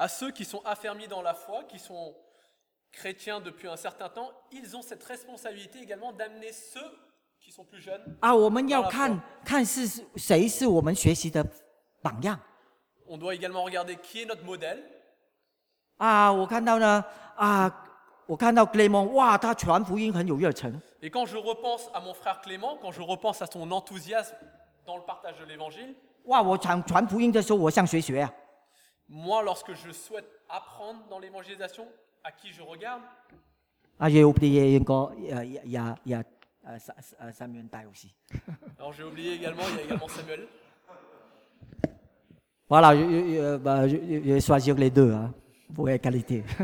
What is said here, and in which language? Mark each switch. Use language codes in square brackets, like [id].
[fr] À ceux qui sont affermis dans la foi, qui sont chrétiens depuis un certain temps, ils ont cette responsabilité également d'amener ceux qui sont plus jeunes. [zh] 我们要看看是谁是我们学习的榜样。 [fr] On doit également regarder qui est notre modèle. [zh] 我看到呢，我看到 Clément， 哇，他传福音很有热忱。 [fr] Et quand je repense à mon frère Clément, quand je repense à son enthousiasme dans le partage de l'Évangile, [zh] 哇，我传福音的时候，我向谁学啊？ [fr] Moi, lorsque je souhaite apprendre dans l'évangélisation, à qui je regarde? Ah, j'ai oublié encore, il y a Samuel Dai aussi. Alors j'ai oublié également, il y a également Samuel. Voilà, je vais choisir les deux, hein, pour les qualités.